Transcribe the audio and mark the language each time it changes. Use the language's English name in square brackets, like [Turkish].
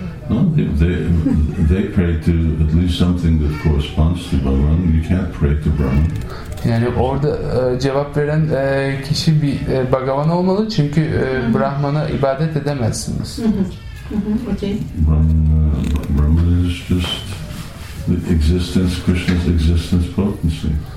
[English] No, they pray to at least something that corresponds to Brahman. You can't pray to Brahman. [Turkish] Yani orada cevap veren kişi bir Bhagavan olmalı, çünkü Brahman'a ibadet edemezsiniz. [English] Okay. Brahman is just the existence, Krishna's existence potency.